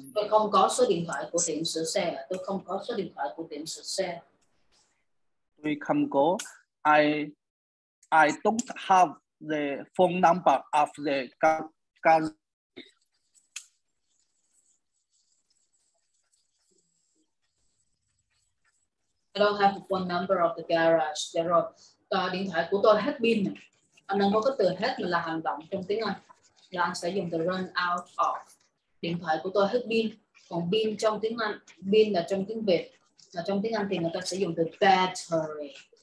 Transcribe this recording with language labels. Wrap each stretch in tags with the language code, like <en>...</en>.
<vi>Tôi không có số điện thoại của tiệm sửa xe. Tôi không có.</vi> <en>I don't have the phone number of the garage. I don't have the phone number of the garage.</en> <vi>Dạ rồi. Điện thoại của tôi hết pin. Anh đang có cái từ hết là hành động trong tiếng Anh. Là anh sẽ dùng từ run out of. Điện thoại của tôi hết pin. Còn pin trong tiếng Anh, pin là trong tiếng Việt. Là trong tiếng Anh thì người ta sẽ dùng từ battery.</vi>